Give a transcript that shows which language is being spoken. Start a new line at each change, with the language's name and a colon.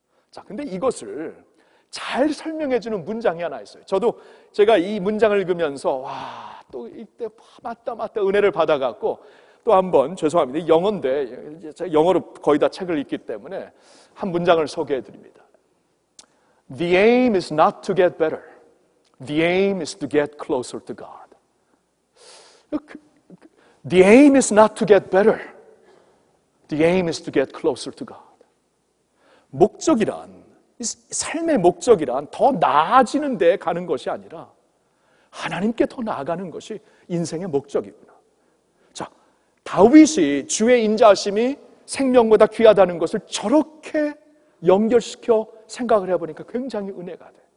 Korean: 자, 근데 이것을 잘 설명해주는 문장이 하나 있어요. 저도 제가 이 문장을 읽으면서 와, 또 이때 맞다 은혜를 받아갖고 또 한번 죄송합니다. 영어인데 제가 영어로 거의 다 책을 읽기 때문에 한 문장을 소개해 드립니다.
English: The aim is not to get better. The aim is to get closer to God. The aim is not to get better. The aim is to get closer to God.
Korean: 목적이란, 삶의 목적이란 더 나아지는 데 가는 것이 아니라 하나님께 더 나아가는 것이 인생의 목적입니다. 다윗이 주의 인자하심이 생명보다 귀하다는 것을 저렇게 연결시켜 생각을 해보니까 굉장히 은혜가 돼.